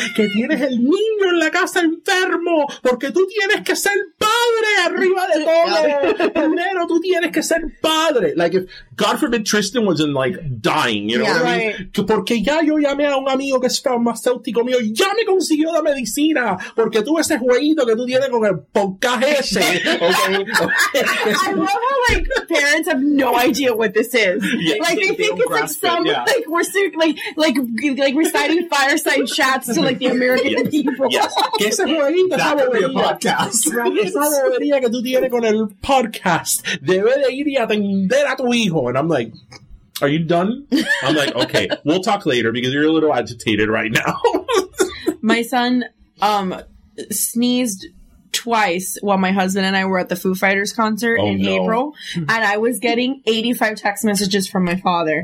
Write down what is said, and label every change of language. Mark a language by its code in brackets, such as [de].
[es] Que tienes el niño en la casa enfermo. Porque tú tienes que ser padre arriba de todo. Primero, tú tienes que ser padre. [en] Like, if God forbid Tristan was in, like, dying, you know what I mean? [es] Que porque ya yo llamé a un amigo que es farmacéutico mío. Ya me consiguió la medicina. Porque tú ese jueguito que tú tienes con el podcast ese. [en] Okay. I love how, like, parents have no idea what this is. Yeah, like, they think it's like some, it, yeah. like we're reciting fireside chats to like the American yes. people. Yes. That would be a podcast. [es] Esa bobería que tú tienes con el podcast debe de ir y atender a tu hijo. [en] And I'm like, are you done? I'm like, okay, we'll talk later because you're a little agitated right now. My son sneezed twice while my husband and I were at the Foo Fighters concert April, and I was getting 85 text messages from my father.